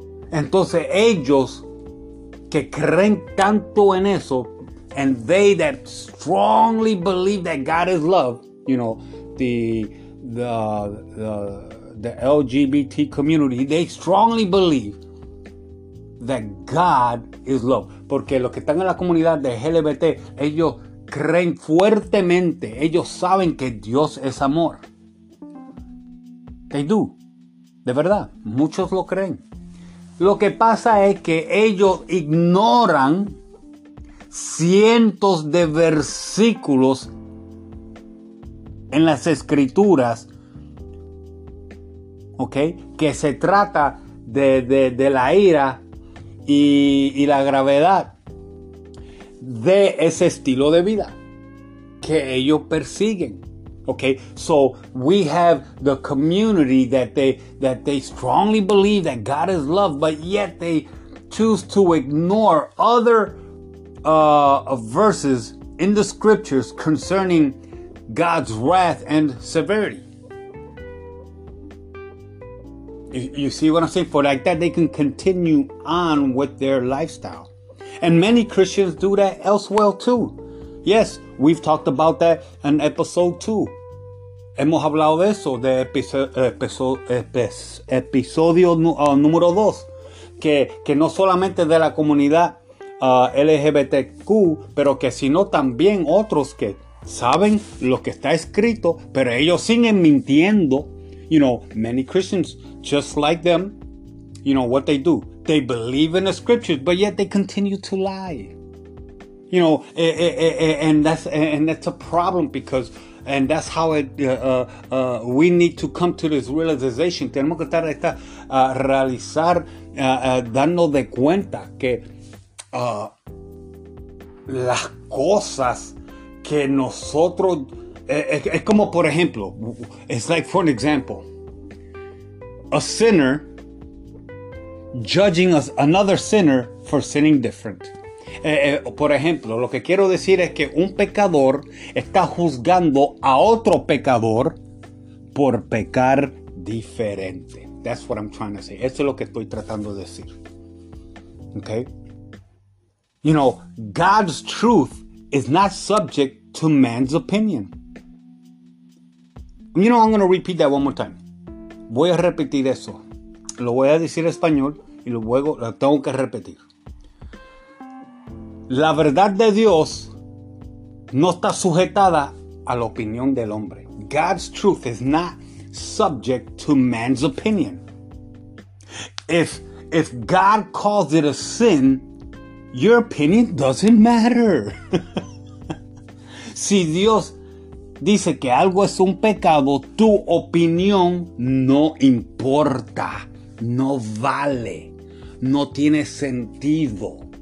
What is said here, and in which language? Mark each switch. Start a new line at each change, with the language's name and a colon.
Spanish: Entonces ellos que creen tanto en eso,
English: and they that strongly believe that God is love, you know, the LGBT community, they strongly believe that God is love.
Spanish: Porque los que están en la comunidad de LGBT, ellos creen fuertemente, ellos saben que Dios es amor.
English: They do.
Spanish: De verdad, muchos lo creen. Lo que pasa es que ellos ignoran cientos de versículos en las escrituras, okay, que se trata de la ira y la gravedad de ese estilo de vida que ellos persiguen.
English: Okay, so we have the community that they strongly believe that God is love, but yet they choose to ignore other verses in the scriptures concerning God's wrath and severity. You see what I'm saying? For like that, they can continue on with their lifestyle. And many Christians do that elsewhere too. Yes, we've talked about that in episode 2.
Spanish: Hemos hablado de eso, de episodio número 2, que no solamente de la comunidad LGBTQ, pero que sino también otros que saben lo que está escrito, pero ellos siguen mintiendo.
English: You know, many Christians, just like them, you know, what they do. They believe in the scriptures, but yet they continue to lie. You know, and that's a problem because... And that's how it. We need to come to this realization.
Spanish: Tenemos que estar a realizar, dando de cuenta que las cosas que nosotros es como por ejemplo.
English: It's like for an example, a sinner judging another sinner for sinning different.
Spanish: Por ejemplo, lo que quiero decir es que un pecador está juzgando a otro pecador por pecar diferente.
English: That's what I'm trying to say.
Spanish: Eso es lo que estoy tratando de decir.
English: Okay? You know, God's truth is not subject to man's opinion. You know, I'm going to repeat that one more time.
Spanish: Voy a repetir eso. Lo voy a decir en español y luego lo tengo que repetir. La verdad de Dios no está sujetada a la opinión del hombre.
English: God's truth is not subject to man's opinion. If God calls it a sin, your opinion doesn't matter.
Spanish: Si Dios dice que algo es un pecado, tu opinión no importa, no vale, no tiene sentido.